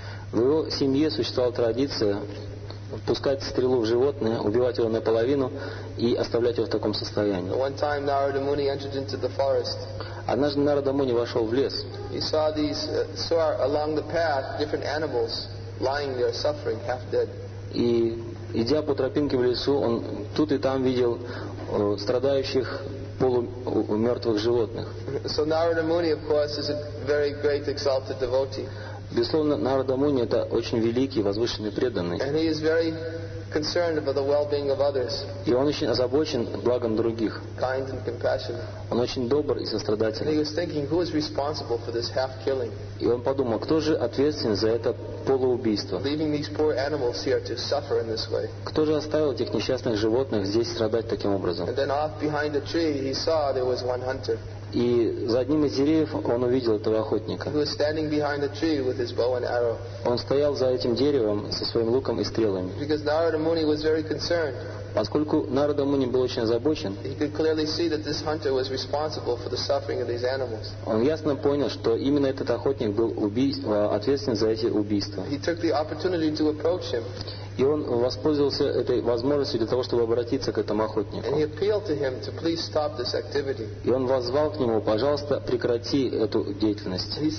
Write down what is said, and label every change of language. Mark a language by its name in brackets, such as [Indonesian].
[Russian] В его семье существовала традиция пускать стрелу в животное, убивать его наполовину и оставлять его в таком состоянии. [English] One time Narada Muni entered into the forest. [Russian] Однажды Нарада Муни вошел в лес. [English] He saw these along the path different animals lying there suffering, half dead. [Russian] И идя по тропинке в лесу, он тут и там видел страдающих полумертвых животных. [English] So Narada Muni, of course, is a very great exalted devotee. [Russian] Безусловно, Нарада Муни это очень великий, возвышенный преданный. [English] And he is very concerned about the well-being of others. [Russian] И он очень озабочен благом других. [English] Kind and compassionate. [Russian] Он очень добр и сострадательный. [English] And he was thinking, who is responsible for this half-killing? [Russian] И он подумал, кто же ответственен за это полуубийство? [English] Leaving these poor animals here to suffer in this way. [Russian] Кто же оставил этих несчастных животных здесь страдать таким образом? [English] And then off behind the tree, he saw there was one hunter. [Russian] И за одним из деревьев он увидел этого охотника. [English] He was standing behind the tree with his bow and arrow. [Russian] Он стоял за этим деревом со своим луком и стрелами. [English] Because Narada Muni was very concerned. [Russian] Поскольку Нарада Муни был очень озабочен, [English] he could clearly see that this hunter was responsible for the suffering of these animals. [Russian] Он ясно понял, что именно этот охотник был ответственен за эти убийства. [English] He took the opportunity to approach him. [Russian] И он воспользовался этой возможностью для того, чтобы обратиться к этому охотнику. И он воззвал к нему, пожалуйста, прекрати эту деятельность.